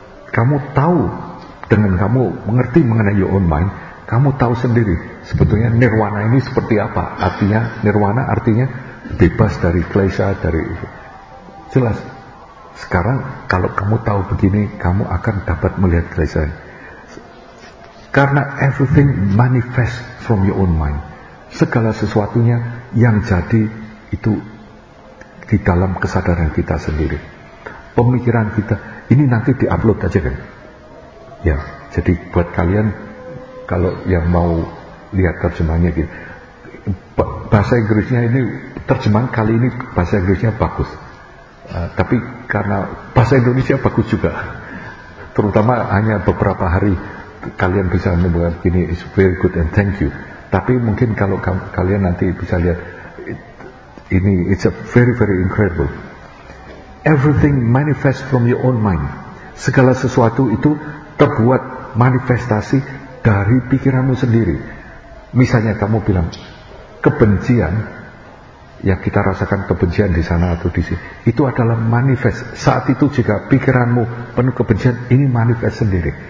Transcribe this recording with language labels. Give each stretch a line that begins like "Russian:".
Indonesian: Kamu tahu, dengan kamu mengerti mengenai
English: your own mind,
Indonesian: kamu tahu sendiri sebetulnya nirwana ini seperti apa. Artinya nirwana artinya bebas dari klesa, dari itu. Jelas. Sekarang kalau kamu tahu begini, kamu akan dapat melihat klesa. Karena
English: everything manifests from your own mind.
Indonesian: Segala sesuatunya yang jadi itu di dalam kesadaran kita sendiri. Pemikiran kita ini nanti diupload aja kan. Ya, jadi buat kalian kalau yang mau lihat terjemahnya gitu. Bahasa Inggrisnya ini terjemahan kali ini bahasa Inggrisnya bagus. Tapi karena bahasa Indonesia bagus juga. Terutama hanya beberapa hari kalian bisa membuat gini,
English: it's very good and thank you.
Indonesian: Tapi mungkin kalau kalian nanti bisa lihat ini,
English: it's a very very incredible. Everything manifests from your own mind.
Indonesian: Segala sesuatu itu terbuat manifestasi dari pikiranmu sendiri. Misalnya kamu bilang kebencian, yang kita rasakan kebencian di sana atau di sini, itu adalah manifest. Saat itu jika pikiranmu penuh kebencian, ini manifest sendiri.